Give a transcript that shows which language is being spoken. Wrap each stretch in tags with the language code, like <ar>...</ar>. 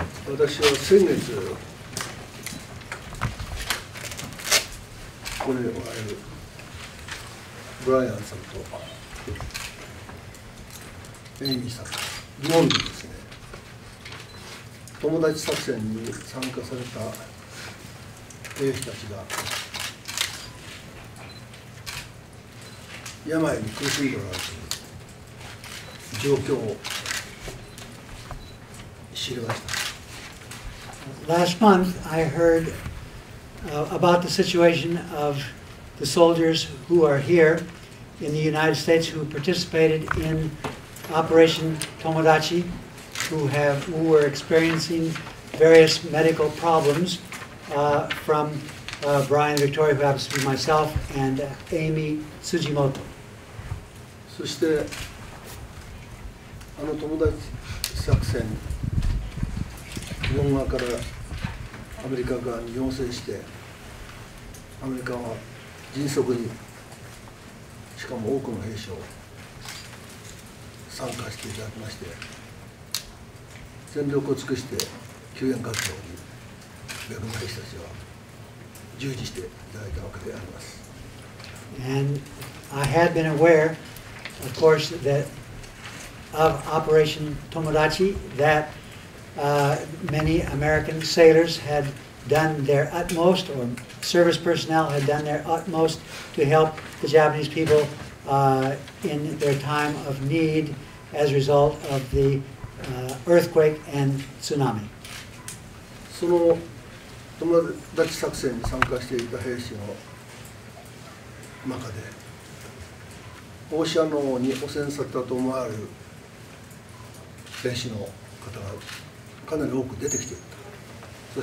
<ja>私は先月これを会えるブライアンさんとエイミーさんと日本でですね、友達作戦に参加された兵士たちが病に苦しんでおられる状況を知りました。</ja> <en>Last month I heard、about the situation of the soldiers who are here in the United States who participated in Operation Tomodachi who were experiencing various medical problems、from、Brian Victoria, who happens to be myself, and、Amy Tsujimoto.</en> <ja>そしてあの友達作戦、日本側からアメリカ側に要請して、アメリカは迅速に、しかも多くの兵士を参加していただきまして、全力を尽くして救援活動に、恵まれた人たちは従事していただいたわけであります。</ja> <en>And I have been aware, of course, thatOf Operation Tomodachi, that、many American sailors had done their utmost, or service personnel had done their utmost to help the Japanese people、in their time of need as a result of the、earthquake and tsunami.</en> <ja>その Tomodachi 作戦に参加していた兵士の中で、放射能に汚染されたと思われる兵士の方がかなり多く出てきていた。</ja>